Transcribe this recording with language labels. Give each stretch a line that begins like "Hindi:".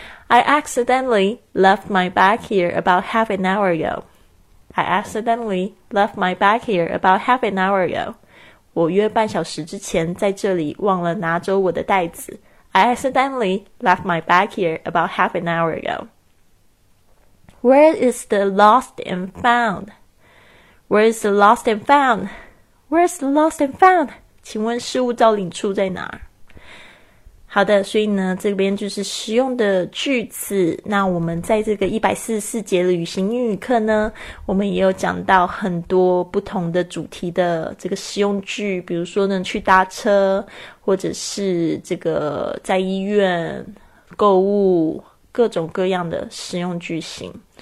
English: I accidentally left my bag here about half an hour ago. I accidentally left my bag here about half an hour ago.
Chinese: 我约半小时之前在这里忘了拿走我的袋子。
English: I accidentally left my bag here about half an hour ago. Where is the lost and found? Where is the lost and found? Where is the lost and found?
Chinese: 请问失物招领处在哪？好的，所以呢，这边就是实用的句子。那我们在这个144节的旅行英语课呢，我们也有讲到很多不同的主题的这个实用句，比如说呢，去搭车，或者是这个在医院购物，各种各样的实用句型。